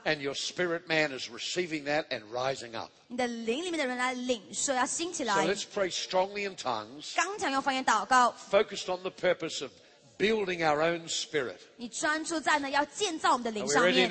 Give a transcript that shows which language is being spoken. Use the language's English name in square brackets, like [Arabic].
[English] And your spirit man is receiving that and rising up. [Chinese] 你的灵里面的人来领受要兴起来 [English] So let's pray strongly in tongues. [Chinese] 刚强用方言祷告 [English] Focused on the purpose ofBuilding our own spirit. [Chinese] 你专注在呢，要建造我们的灵上面。